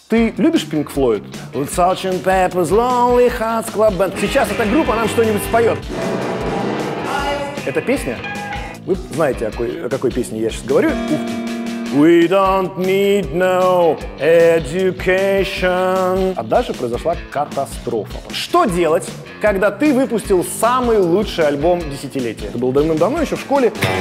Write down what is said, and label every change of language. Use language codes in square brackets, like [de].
[ru] Ты любишь Pink Floyd? [en] Sgt. Pepper's Lonely Hearts Club Band. [ru] Сейчас эта группа нам что-нибудь споет. Это песня? Вы знаете, о какой песне я сейчас говорю? Ух ты. [en] We don't need no education. [ru] А дальше произошла катастрофа. Что делать, когда ты выпустил самый лучший альбом десятилетия? Это было давным-давно, еще в школе.